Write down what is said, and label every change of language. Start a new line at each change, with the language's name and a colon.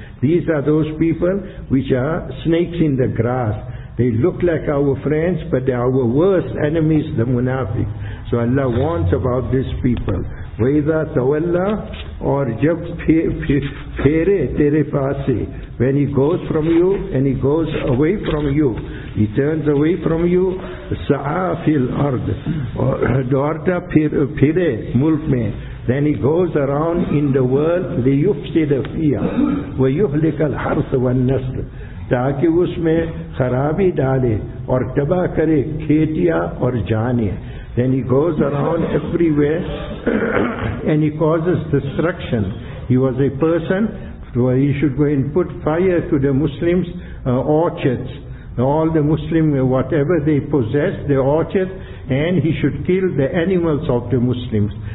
English: These are those people which are snakes in the grass. They look like our friends, but they are our worst enemies, the munafiq. So Allah warns about these people.
Arabic: وَإِذَا تَوَلَّا
Urdu: اور جب پھیرے تیرے پاس سے.
English: When he goes from you and he goes away from you, he turns away from you,
Arabic: سَعَا فِي الْأَرْضِ
Urdu: دورتا پھیرے ملک میں.
English: Then he goes around in the world,
Arabic: لِيُفْسِدَ فِيهَا وَيُحْلِكَ الْحَرْثَ وَالنَّسْلِ
Urdu: تاکہ اس میں خرابی ڈالے اور تباہ کرے کھیتیاں اور جانیں.
English: Then he goes around everywhere and he causes destruction. He was a person where he should go and put fire to the Muslims' orchards. All the Muslim, whatever they possess, the orchards, and he should kill the animals of the Muslims.